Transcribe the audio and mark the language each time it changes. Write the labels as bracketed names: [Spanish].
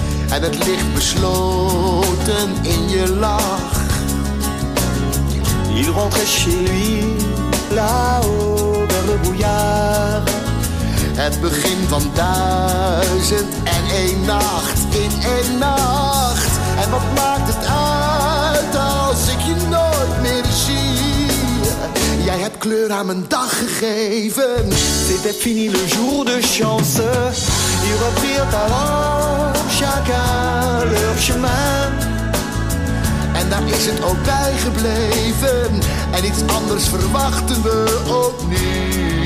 [Dutch] En het ligt besloten in je lach. [French] Il rentrait chez lui, là-haut vers le brouillard. [Dutch] Het begin van duizend en één nacht, in één nacht. En wat maakt het uit als ik je nooit meer zie? Jij hebt kleur aan mijn dag gegeven. [French] C'était fini le jour de chance. Ils reprirent alors chacun leur chemin. [Dutch] En daar is het ook bij gebleven. En iets anders verwachten we ook nu.